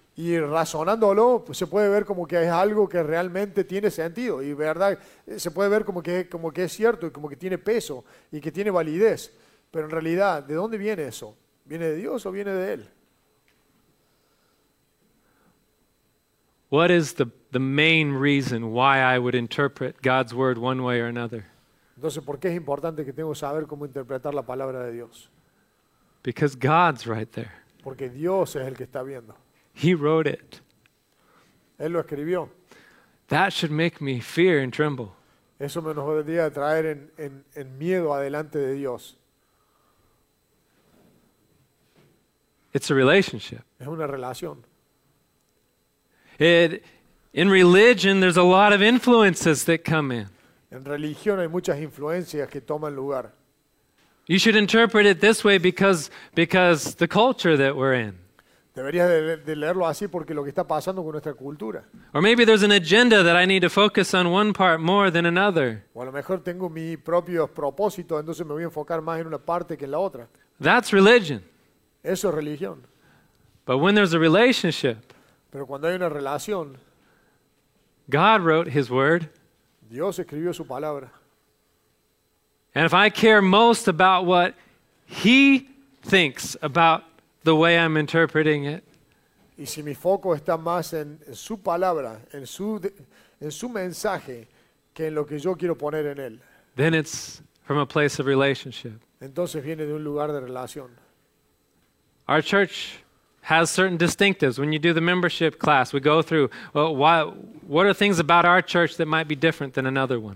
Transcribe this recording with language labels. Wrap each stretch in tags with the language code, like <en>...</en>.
<es>Y razonándolo, pues se puede ver como que es algo que realmente tiene sentido y verdad, se puede ver como que es cierto y como que tiene peso y que tiene validez. Pero en realidad, ¿de dónde viene eso? ¿Viene de Dios o viene de él?</es> <en>What is the main reason why I would interpret God's word one way or another?</en> <es>Entonces, ¿por qué es importante que tengo que saber cómo interpretar la palabra de Dios?</es> <en>Because God's right there.</en> <es>Porque Dios es el que está viendo.</es> <en>He wrote it.</en> <es>Él lo escribió.</es> <en>That should make me fear and tremble.</en> <es>Eso me debería traer en miedo adelante de Dios.</es> <en>It's a relationship.</en> <es>Es una relación.</es> <en>In religion, there's a lot of influences that come in.</en> <es>En religión hay muchas influencias que toman lugar.</es> <en>You should interpret it this way because the culture that we're in.</en> <es>Deberías de leerlo así porque lo que está pasando con nuestra cultura.</es> <en>Or maybe there's an agenda that I need to focus on one part more than another.</en> <es>O a lo mejor tengo mi propio propósito, entonces me voy a enfocar más en una parte que en la otra.</es> <en>That's religion.</en> <es>Eso es religión.</es> <en>But when there's a relationship,</en> <es>pero cuando hay una relación,</es> <en>God wrote his word.</en> <es>Dios escribió su palabra.</es> <en>And if I care most about what he thinks about the way I'm interpreting it,</en> <es>y si mi foco está más en su palabra, en su mensaje, que en lo que yo quiero poner en él,</es> <en>then it's from a place of relationship.</en> <es>Entonces viene de un lugar de relación.</es> <en>Our church has certain distinctives. When you do the membership class, we go through, well, why, what are things about our church that might be different than another one?</en>